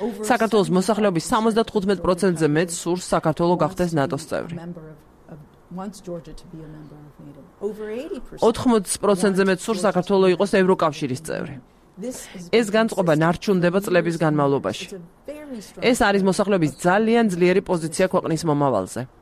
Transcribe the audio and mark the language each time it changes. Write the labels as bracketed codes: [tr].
[ka] საქართველოს მოსახლეობის 75%-ზე მეტ სურს საქართველო გახდეს ნატოს წევრი. [en] Wants Georgia to be a member of NATO. Over 80%-ზე [ka] მეტ სურს საქართველოს იყოს ევროკავშირის წევრი. ეს განწყობა ნარჩუნდება წლების განმავლობაში. ეს არის მოსახლეობის ძალიან ძლიერი პოზიცია ქვეყნის მომავალზე.